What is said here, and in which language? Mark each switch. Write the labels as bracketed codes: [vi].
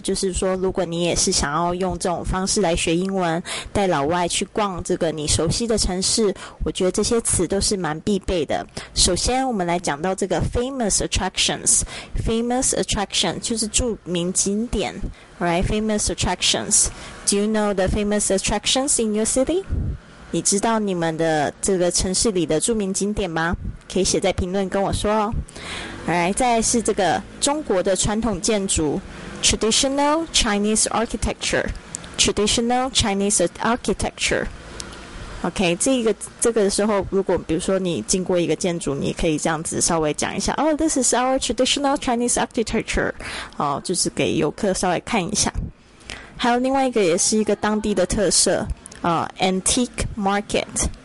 [zh] 就是说，如果你也是想要用这种方式来学英文，带老外去逛这个你熟悉的城市，我觉得这些词都是蛮必备的。首先我们来讲到这个 famous attractions， famous attraction 就是著名景点。 [en] Right, famous attractions. Do you know the famous attractions in your city? [zh] 你知道你们的这个城市里的著名景点吗？可以写在评论跟我说哦。Alright, 再来是这个中国的传统建筑 ，traditional Chinese architecture. [en] Traditional Chinese architecture. [zh] OK, 这个时候，如果比如说你经过一个建筑，你可以这样子稍微讲一下， [en] Oh, this is our traditional Chinese architecture. [zh] 哦，就是给游客稍微看一下。还有另外一个也是一个当地的特色，Antique Market.